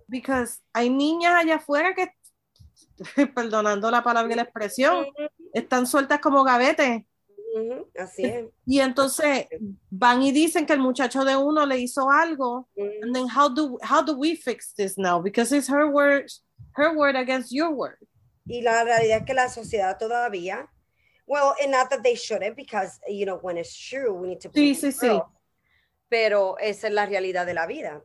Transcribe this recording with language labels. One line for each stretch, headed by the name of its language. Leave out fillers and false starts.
Spanish: Because hay niñas allá afuera que, perdonando la palabra y la expresión, están sueltas como gavete. Uh-huh, así es. Y entonces van y dicen que el muchacho de uno le hizo algo.
English: Uh-huh. And then how do we fix this now? Because it's her word against your word.
Spanish: Y la realidad es que la sociedad todavía,
English: Well, and not that they shouldn't, because, you know, when it's true, we need to play. Sí.
Spanish: Pero esa es la realidad de la vida.